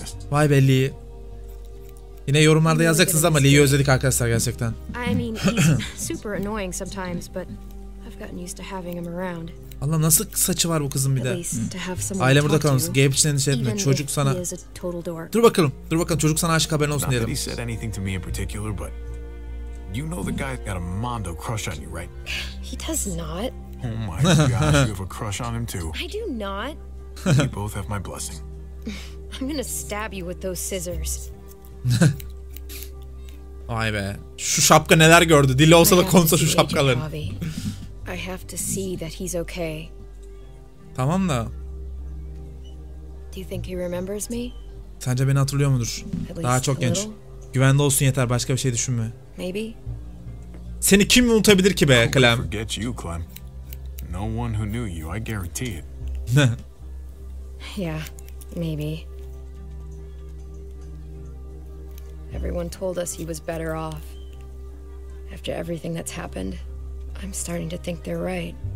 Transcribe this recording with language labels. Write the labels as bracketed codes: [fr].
[tr] Vay be Lee. Yine yorumlarda yazacaksınız ama Lee'yi özledik arkadaşlar gerçekten. [en] I mean, he's super annoying sometimes, but I've gotten used to having him around. [tr] Allah nasıl saçı var bu kızın bir de. Aile burada kalmış. Gabe için endişe etme. Çocuk sana... Dur bakalım. Çocuk sana aşık haberin olsun diyelim. [en] Not that he said anything to me in particular, but... You know the guy's got a mondo crush on you, right? He does not. Oh my gosh, you have a crush on him too. I do not. You both have my blessing. I'm gonna stab you with those scissors. [tr] Vay be. Şu şapka neler gördü. Dili olsa da konuşsa şu şapkaların. [en] I have to see that he's okay. [tr] Tamam da. [en] Do you think he remembers me? [tr] Sence beni hatırlıyor mudur? Daha çok genç. Güvende olsun yeter. Başka bir şey düşünme. [en] Maybe. [tr] Seni kim unutabilir ki be Clem? [en] Forget you, Clem. No one who knew you, I guarantee it. Yeah, maybe. Everyone told us he was better off. After everything that's happened, I'm starting to think they're right.